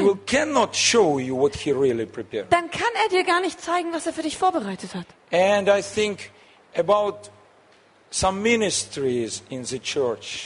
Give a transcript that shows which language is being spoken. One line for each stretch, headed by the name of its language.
English: He will cannot show you what he really prepared.
German: Dann kann er dir gar nicht zeigen, was er für dich vorbereitet hat.
English: And I think about some ministries in the church.